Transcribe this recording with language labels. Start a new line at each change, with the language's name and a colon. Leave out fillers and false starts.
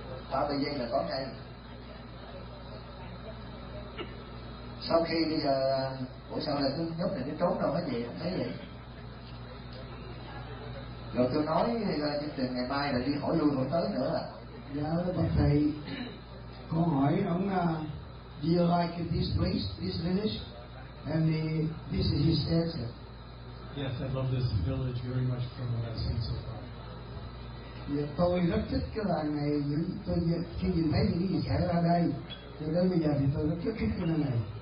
Vietnamese: 30 giây là có ngay. Sau khi bây giờ, ủa sao là cái nhóc này nó trốn đâu hết vậy, thấy vậy? Rồi tôi nói chuyện từ ngày mai là đi hỏi luôn hỏi tới nữa. Dạ, bác thầy. Con hỏi ông,
English: do you like this place, this village, and this is his answer. Yes, I love this village very much from what I've seen so far.
Vietnamese: Yeah, tôi rất thích cái làng này, tôi khi nhìn thấy những gì xảy ra đây, từ đến bây giờ thì tôi rất thích cái làng này.